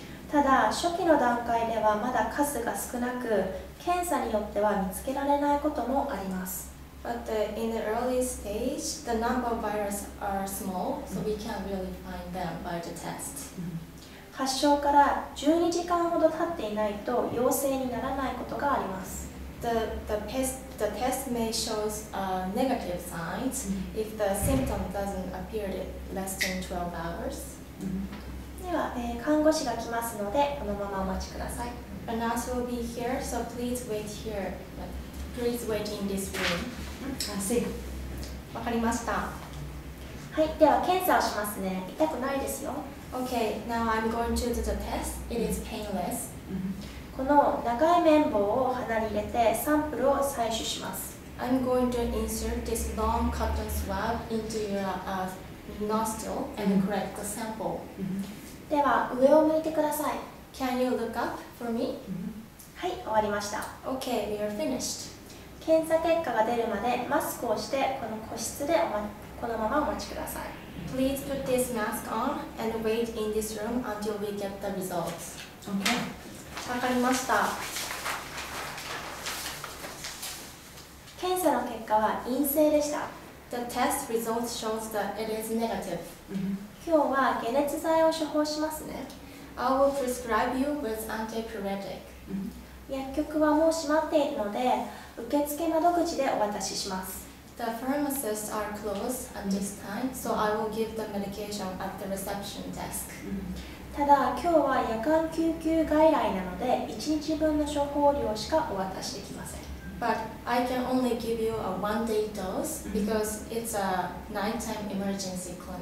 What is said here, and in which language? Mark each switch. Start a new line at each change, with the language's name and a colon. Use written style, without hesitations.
Japanese: ただ、初期の段階ではまだ数が少なく、検査によっては見つけられないこともあります。
English: But in the early stage, the number of virus are small, so we can't really find them by the test.
Japanese: 発症から12時間ほど経っていないと陽性にならないことがあります。
English: The test may show negative signs if the symptom doesn't appear in less than 12 hours.
Japanese: では、看護師が来ますので、このままお待ちください。
English: A nurse will be here, so please wait here. Please wait in this room.
Japanese: わかりました。はい、では検査をしますね。痛くないですよ。
English: Okay, now I'm going to do the test. It is painless.
Japanese: この長い綿棒を鼻に入れてサンプルを採取します。
English: I'm going to insert this long cotton swab into your nostril and collect the sample.
Japanese: では上を向いてください。
English: Can you look up for me?
Japanese: はい、終わりました。
English: Okay, we are finished.
Japanese: 検査結果が出るまでマスクをしてこの個室でこのままお待ちください。
English: Please put this mask on and wait in this room until we get the results. Okay.
Japanese: わかりました。検査の結果は陰性でした。
English: The test results shows that it is negative.
Japanese: 今日は解熱剤を処方しますね。
English: I will prescribe you with antipyretic.
Japanese: 薬局はもう閉まっているので、受付窓口でお渡しします。
English: The pharmacists are closed at this time, so I will give the medication at the reception desk.
Japanese: ただ、今日は夜間救急外来なので、1日分の処方量しかお渡しできません。
English: But I can only give you a one-day dose because it's a nighttime emergency clinic.